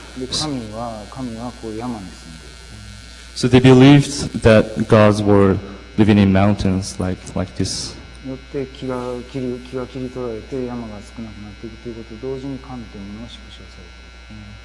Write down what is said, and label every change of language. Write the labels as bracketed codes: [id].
[ja] で神はこう山に住んでいる。 [en] So they believed that gods were living in mountains like this. [ja] よって木が切り取られて山が少なくなっていくということと同時に神というものが縮小されている。